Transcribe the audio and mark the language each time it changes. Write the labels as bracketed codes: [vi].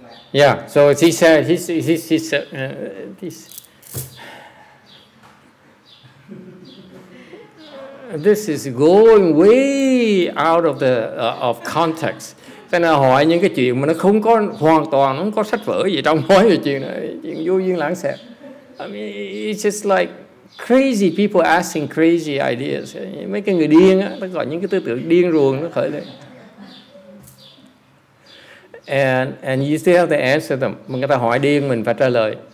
[en] Yeah, so she said, this is going way out of the of context. [vi] Cái này hỏi những cái chuyện mà nó không có hoàn toàn, nó không có sách vở gì trong nói về chuyện này, chuyện vô duyên lãng xẹt. [en] I mean, it's just like crazy people asking crazy ideas. [vi] Mấy cái người điên á, nó gọi những cái tư tưởng điên ruồng nó khởi lên. [en] And you still have to answer them. [vi] Mà người ta hỏi điên mình phải trả lời.